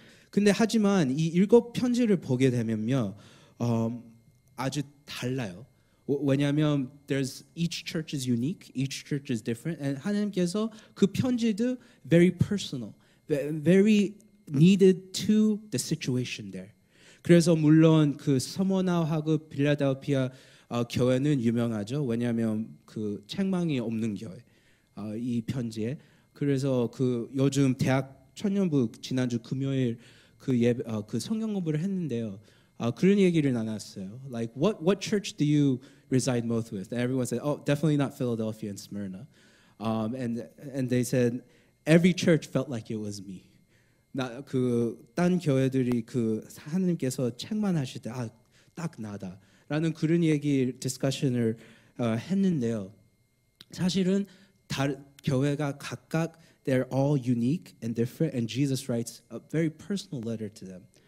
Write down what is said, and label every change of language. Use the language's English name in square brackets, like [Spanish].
[Korean] 근데 하지만 이 일곱 편지를 보게 되면요, 아주 달라요. 왜냐하면 [English] there's each church is unique, each church is different, and [Korean] 하나님께서 그 편지도 [English] very personal, very needed to the situation there. [Korean] 그래서 물론 그 서머나하고 빌라델피아 교회는 유명하죠. 왜냐하면 그 책망이 없는 교회, 이 편지에. 그래서 그 요즘 대학 청년부 지난주 금요일 그 예배 그 성경 공부를 했는데요. 그런 얘기를 나눴어요. [English] Like what church do you reside most with? And everyone said, oh, definitely not Philadelphia and Smyrna. And they said every church felt like it was me. [Korean] 나 그 딴 교회들이 그 하나님께서 책만 하실 때 아 딱 나다. 라는 그런 얘기 디스커션을 했는데요. 사실은 다 교회가 각각 [English] they're all unique and different and Jesus writes a very personal letter to them.